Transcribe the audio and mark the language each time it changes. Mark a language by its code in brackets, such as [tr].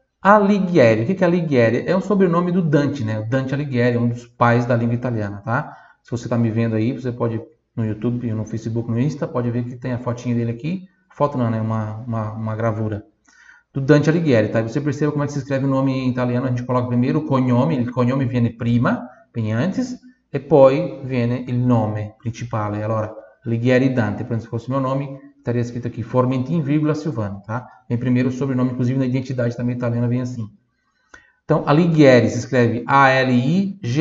[pt] Alighieri. O que é Alighieri? É o sobrenome do Dante, né? Dante Alighieri, um dos pais da língua italiana, tá? Se você está me vendo aí, você pode. No YouTube, no Facebook, no Insta, pode ver que tem a fotinha dele aqui. Foto não, né? Uma gravura. Do Dante Alighieri, tá? E você percebe como é que se escreve o nome em italiano. A gente coloca primeiro o cognome. [it] Il cognome viene prima, [pt] vem antes. [it] E poi viene il nome principale. Allora, Alighieri Dante. [pt] Se fosse meu nome, estaria escrito aqui Formentin, vírgula, Silvano, tá? Vem primeiro o sobrenome, inclusive na identidade também italiana vem assim. Então, Alighieri se escreve Alighieri.